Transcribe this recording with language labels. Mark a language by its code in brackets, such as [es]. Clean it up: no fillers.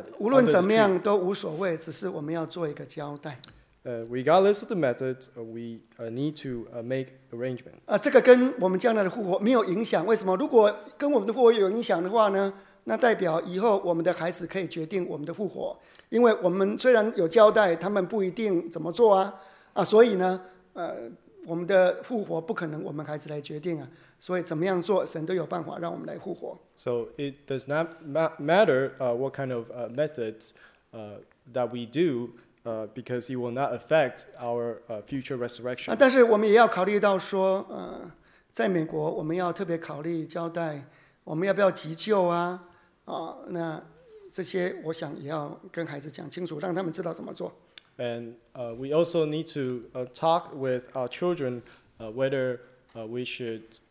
[zh] 无论怎么样都无所谓，只是我们要做一个交代。 [en] Regardless of the method, we need to make arrangements. [zh] 这个跟我们将来的复活没有影响。为什么？如果跟我们的复活有影响的话呢？那代表以后我们的孩子可以决定我们的复活，因为我们虽然有交代，他们不一定怎么做啊，所以呢，我们的复活不可能我们孩子来决定啊。所以怎么样做，神都有办法让我们来复活。 [en] So it does not matter what kind of methods that we do. Because it will not affect our future resurrection. [zh] 但是我们也要考虑到说，在美国我们要特别考虑交代，我们要不要急救啊？那这些我想也要跟孩子讲清楚，让他们知道怎么做。 [en] And we also need to talk with our children whether we should